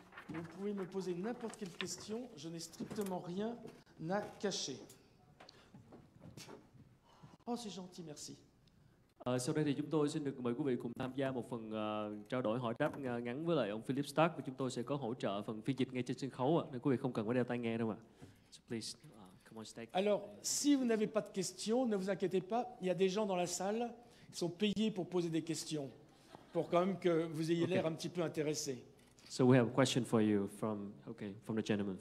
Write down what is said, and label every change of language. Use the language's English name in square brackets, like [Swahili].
[French] Vous pouvez me poser n'importe quelle question. Je n'ai strictement rien à cacher. Oh, c'est gentil. Merci. [Vietnamese] Sau đây thì chúng tôi xin được mời quý vị cùng tham gia một phần trao đổi hỏi đáp ngắn với lại ông Philippe Starck, và chúng tôi sẽ có hỗ trợ phần phiên dịch ngay trên sân khấu nên quý vị không cần phải đeo tai nghe đâu ạ. [English] So please come on stage. [French] Alors, si vous n'avez pas de questions, ne vous inquiétez pas, il y a des gens dans la salle qui sont payés pour poser des questions pour quand même que vous ayez l'air un petit peu intéressé. [English] So we have a question for you from the gentleman.